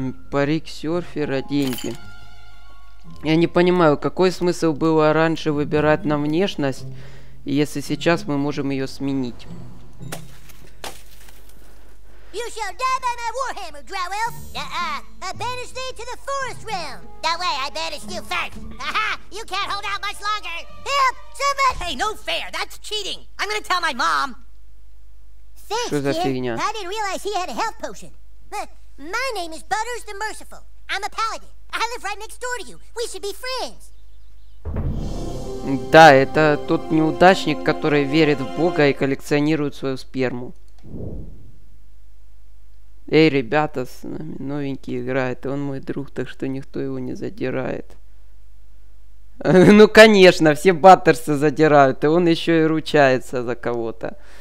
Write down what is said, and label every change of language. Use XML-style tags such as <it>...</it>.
<ru>Парик серфера, деньги. Я не понимаю, какой смысл было раньше выбирать нам внешность, если сейчас мы можем ее сменить.</ru> <en>You shall die by my warhammer, Drawelf. I banish thee to the forest realm. No way, I banish you first. Ha-ha, you can't hold out much longer. Help, somebody! Hey, no fair, that's cheating. I'm gonna tell my mom. Thanks,</en> <ru>что за фигня?</ru> <en>I didn't realize he had a health potion. My name is Butters the Merciful. I'm a paladin. I live right next door to you. We should be friends.</en> <ru>Да, это тот неудачник, который верит в Бога и коллекционирует свою сперму. Эй, ребята, с нами новенький играет. Он мой друг, так что никто его не задирает. Ну, конечно, все Баттерсы задирают, и он еще и ручается за кого-то.</ru>